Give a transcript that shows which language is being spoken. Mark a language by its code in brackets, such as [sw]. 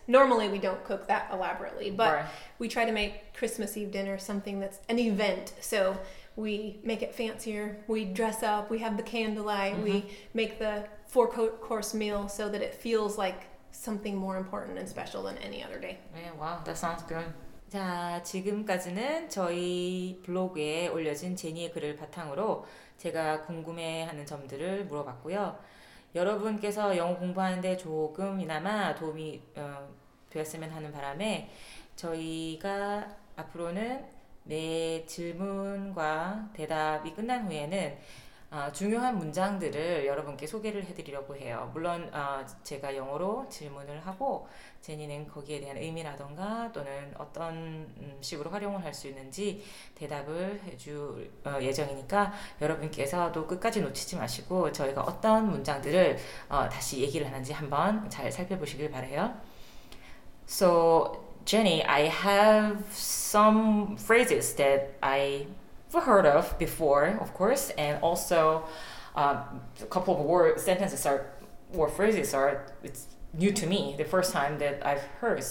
[en] Normally we don't cook that elaborately, but we try to make Christmas Eve dinner something that's an event. So we make it fancier. We dress up. We have the candlelight. Mm-hmm. We make the four-course meal so that it feels like something more important and special than any other day. Yeah, wow, that sounds good. [ko] 자, 지금까지는 저희 블로그에 올려진 제니의 글을 바탕으로 제가 궁금해하는 점들을 물어봤고요. 여러분께서 영어 공부하는데 조금이나마 도움이 되었으면 하는 바람에 저희가 앞으로는 매 질문과 대답이 끝난 후에는 중요한 문장들을 여러분께 소개를 해드리려고 해요. 물론 제가 영어로 질문을 하고 제니는 거기에 대한 의미라던가 또는 어떤 식으로 활용을 할 수 있는지 대답을 해줄 예정이니까 여러분께서도 끝까지 놓치지 마시고 저희가 어떤 문장들을 다시 얘기를 하는지 한번 잘 살펴보시길 바라요. [en] So Jenny, I have some phrases that I've heard of before, of course, and also a couple of word sentences are or phrases are it's new to me, the first time that I've heard.